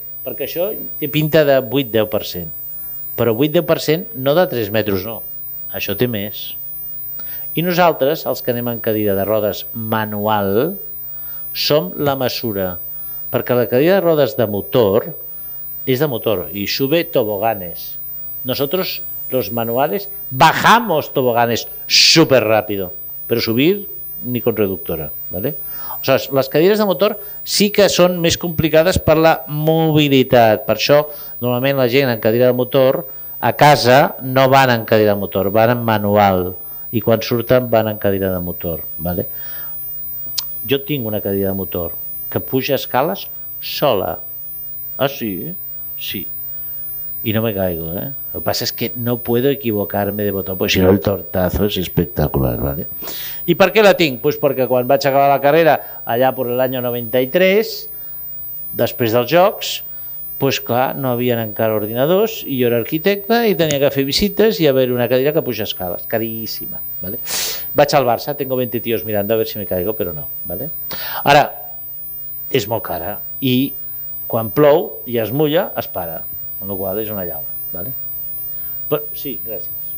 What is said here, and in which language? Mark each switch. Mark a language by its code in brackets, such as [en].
[ca] Perquè això té pinta de 8-10%. Però 8-10% no de 3 metres, no. Això té més. I nosaltres, els que anem en cadira de rodes manual, som la mesura. Perquè la cadira de rodes de motor és de motor i [es] sube toboganes. Nosotros, los manuales, bajamos toboganes súper rápido. Però subir ni con reductora. ¿Vale? [ca] O sigui, les cadires de motor sí que són més complicades per la mobilitat. Per això, normalment la gent en cadira de motor a casa no van en cadira de motor, van en manual. I quan surten van en cadira de motor. ¿Vale? Jo tinc una cadira de motor que puja escales sola. Ah, sí? Sí. [es] I no me caigo, [ca] El que passa és que [es] no puedo equivocarme de botó, pues si no el tortazo es espectacular, ¿vale? [ca] I per què la tinc? Pues perquè quan vaig acabar la carrera, allà per l'any 93, després dels jocs, pues clar, no havien encara ordinadors, i jo era arquitecte, i tenia que fer visites, i a veure una cadira que puja escales, caríssima, ¿vale? Vaig al Barça, [es] tengo 20 tíos mirando a ver si me caigo, [ca] però no, ¿vale? Ara, és molt cara, i quan plou i es mulla, es para. Amb la qual és una llauna. ¿Vale? Però, sí, gràcies.